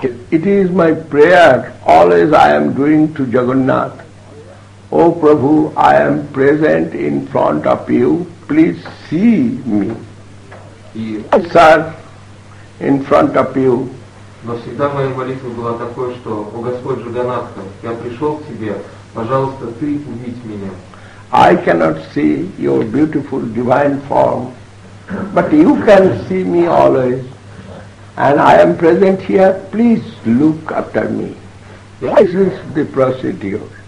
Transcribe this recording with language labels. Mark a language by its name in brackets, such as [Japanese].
[English] It is my prayer, always I am doing to Jagannath. O Prabhu, I am present in front of you, please see me. Yes. Sir, in front of you. [Russian] Но всегда моя молитва была такой, что, о Господь Джаганнатха, я пришел к тебе, пожалуйста, ты увидь меня. [English] I cannot see your beautiful divine form, but you can see me always. And I am present here, please look after me. This is the procedure.